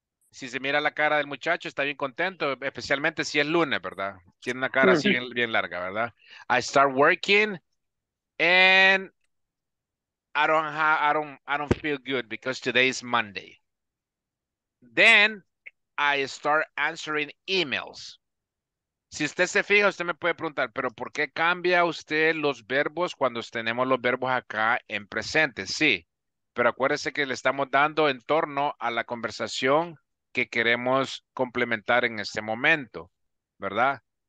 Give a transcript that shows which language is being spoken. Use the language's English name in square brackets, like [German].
[Spanish] Si se mira la cara del muchacho, está bien contento, especialmente si es lunes, ¿verdad? Tiene una cara así bien larga, ¿verdad? [English] I start working and I don't feel good because today is Monday. Then I start answering emails. [Spanish] Si usted se fija, usted me puede preguntar, ¿pero por qué cambia usted los verbos cuando tenemos los verbos acá en presente? Sí, pero acuérdese que le estamos dando en torno a la conversación que queremos complementar en este momento, ¿verdad?